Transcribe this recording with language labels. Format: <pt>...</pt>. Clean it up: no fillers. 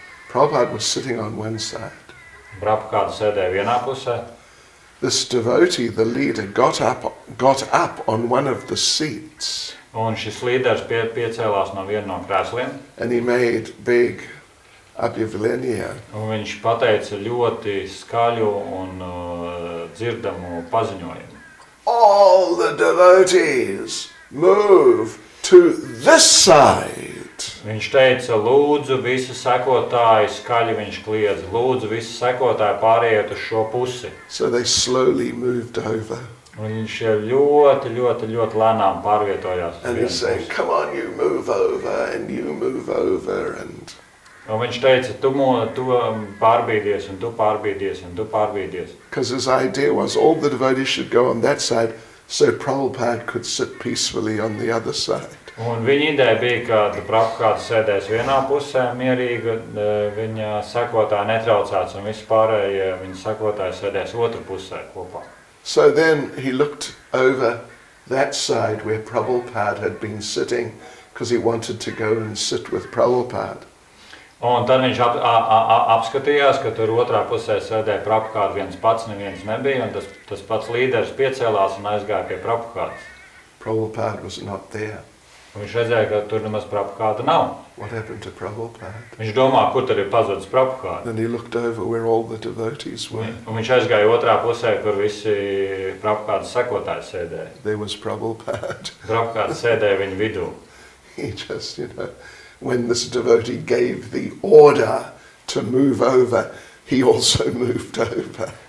<en>Prabhupada was sitting on one side.</en> <lv>Prabhupada sēdēja vienā pusē.</lv> <en>This devotee, the leader, got up on one of the seats.</en> <lv>Un šis līderis piecēlās no viena no krēsliem.</lv> <en>And he made big apjavlenie.</en> <lv>Un viņš pateica ļoti skaļu un dzirdamu paziņojumu.</lv> <en>All the devotees move to this side.</en> <lv>Viņš teica, lūdzu visi sekotāji, skaļi viņš kliedz, lūdzu visi sekotāji pāriet uz šo pusi.</lv> <en>So they slowly moved over.</en> <lv>Un viņš ļoti, ļoti, ļoti lēnām pārvietojās.</lv> <en>And he said, come on, you move over, and you move over, and...</en> <lv>Un viņš teica, tu pārbīdies, un tu pārbīdies, un tu pārbīdies.</lv> <en>Because his idea was all the devotees should go on that side, so Prabhupada could sit peacefully on the other side.</en> <lv>Un viņa ideja bija, ka Prabhupāda sēdēs vienā pusē mierīgi, viņa sekotāji netraucēts, un visi pārējie viņa sekotāji sēdēs otru pusē kopā.</lv> <en>So then he looked over that side where Prabhupāda had been sitting, because he wanted to go and sit with Prabhupāda.</en> <lv>Un tad viņš apskatījās, ka tur otrā pusē sēdē Prabhupāda viens pats, neviens nebija, un tas pats līderis piecēlās un aizgāja pie Prabhupādas.</lv> <en>Prabhupāda was not there.</en> <lv>Viņš redzēja, ka tur nemaz Prabhupāda nav.</lv> <en>What happened to Prabhupāda?</en> <lv>Viņš domā, kur tur ir pazudis Prabhupāda.</lv> <en>Then he looked over where all the devotees were.</en> <lv>Un viņš aizgāja otrā pusē, kur visi Prabhupāda sekotāji sēdēja.</lv> <en>There was Prabhupāda.</en> <lv>Prabhupāda sēdēja viņa vidū.</lv> <en>He just, you know, when this devotee gave the order to move over, he also moved over.</en>